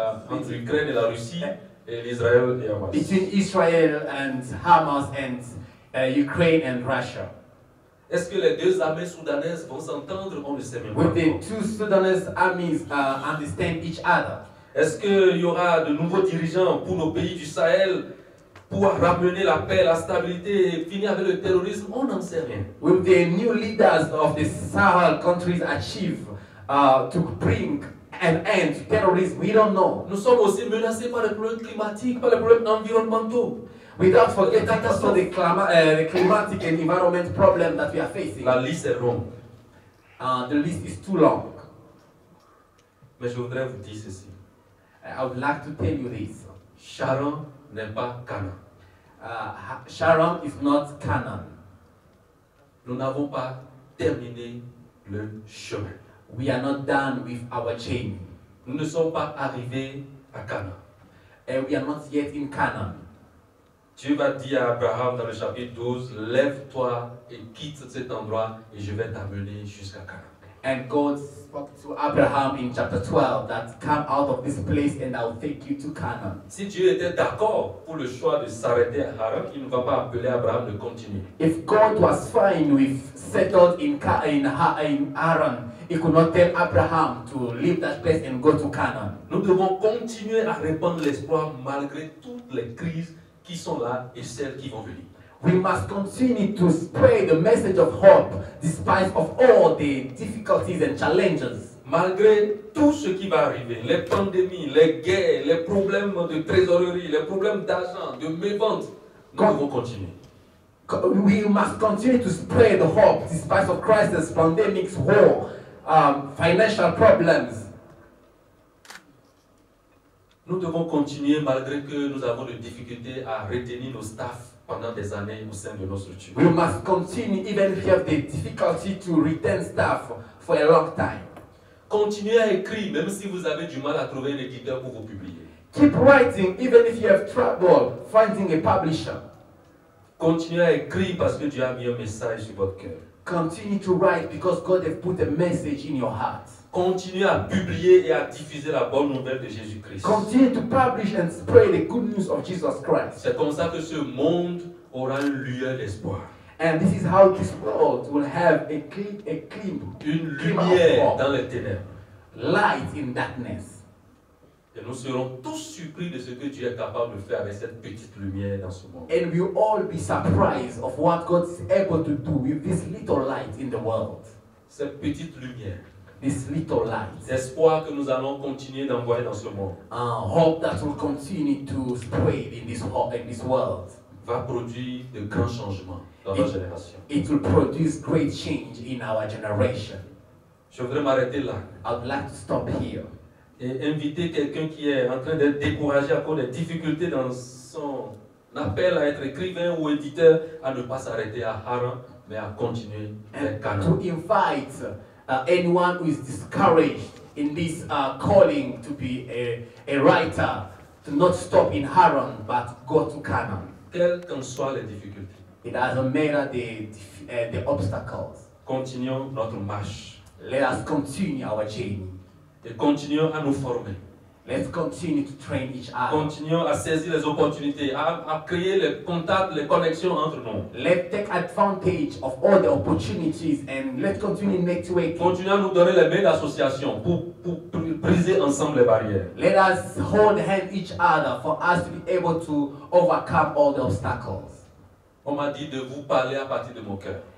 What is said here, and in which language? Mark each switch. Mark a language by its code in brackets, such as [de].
[fr] entre Ukraine et la Russie et l'Israël et Hamas. [en] Between Israel and Hamas and Ukraine and Russia. [fr] Est-ce que les deux armées soudanaises vont s'entendre? On ne sait même pas. [en] Will the two Sudanese armies understand each other? [fr] Est-ce qu'il y aura de nouveaux dirigeants pour nos pays du Sahel pour ramener la paix, la stabilité et finir avec le terrorisme? On n'en sait rien. [en] Will the new leaders of the Sahel countries achieve to bring an end to terrorism? We don't know. [fr] Nous sommes aussi menacés par les problèmes climatiques, par les problèmes environnementaux. [en] Without forgetting also the climatic and environment problem that we are facing. [fr] La liste est longue. [en] The list is too long. [fr] Mais je voudrais vous dire ceci. [en] I would like to tell you this. [fr] Haran n'est pas Canaan. [en] Haran is not Canaan. [fr] Nous n'avons pas terminé le chemin. [en] We are not done with our journey. [fr] Nous ne sommes pas arrivés à Canaan. [en] And we are not yet in Canaan. [fr] Dieu va dire à Abraham dans le chapitre 12, lève-toi et quitte cet endroit et je vais t'amener jusqu'à Canaan. [en] And God spoke to Abraham in chapter 12 that come out of this place and I'll take you to Canaan. [fr] Si Dieu était d'accord pour le choix de s'arrêter à Haran, il ne va pas appeler Abraham de continuer. [en] If God was fine with settled in Haran, he could not tell Abraham to leave that place and go to Canaan. [fr] Nous devons continuer à répandre l'espoir malgré toutes les crises qui sont là et celles qui vont venir. [en] We must continue to spread the message of hope despite of all the difficulties and challenges. [fr] Malgré tout ce qui va arriver, les pandémies, les guerres, les problèmes de trésorerie, les problèmes d'argent, de mévente, nous devons continuer. [en] We must continue to spread the hope despite of crisis, pandemics, war, financial problems. [fr] Nous devons continuer malgré que nous avons des difficultés à retenir nos staffs pendant des années au sein de nos structures. [en] We must continue even if we have the difficulty to retain staff for a long time. [fr] Continuez à écrire même si vous avez du mal à trouver un éditeur pour vous publier. [en] Keep writing even if you have trouble finding a publisher. [fr] Continuez à écrire parce que Dieu a mis un message sur votre cœur. [en] Continue to write because God has put a message in your heart. [fr] Continuez à publier et à diffuser la bonne nouvelle de Jésus-Christ. [en] Continue to publish and spread the good news of Jesus Christ. [fr] C'est comme ça que ce monde aura une lueur d'espoir. [en] And this is how this world will have a clean [fr] une lumière dans les ténèbres. [en] Light in darkness. [fr] Et nous serons tous surpris de ce que Dieu est capable de faire avec cette petite lumière dans ce monde. [en] And we'll all be surprised of what God is able to do with this little light in the world. [fr] Cette petite lumière. [en] This little light. [fr] L'espoir que nous allons continuer d'envoyer dans ce monde. [en] Hope that will continue to spread in this world. [fr] Va produire de grands changements dans notre génération. [en] It will produce great change in our generation. [fr] Je voudrais m'arrêter là. [en] I'd like to stop here. [fr] Et inviter quelqu'un qui est en train d'être découragé à cause des difficultés dans son appel à être écrivain ou éditeur à ne pas s'arrêter à Haran, mais à continuer vers Canaan. [en] To invite anyone who is discouraged in this calling to be a writer, to not stop in Haran, but go to Canaan. [fr] Quelles qu'en soient les difficultés. [en] It doesn't matter the obstacles. [fr] Continuons notre marche. [en] Let us continue our journey. [fr] Et continuons à nous former. [en] Let's continue to train each other. [fr] Continuons à saisir les opportunités, à créer les contacts, les connexions entre nous. [en] Let's take advantage of all the opportunities and let's continue networking. [fr] Continuons à nous donner les mains d'association pour briser ensemble les barrières. [en] Let us hold hands each other for us to be able to overcome all the obstacles. [fr] On m'a dit de vous parler à partir de mon cœur.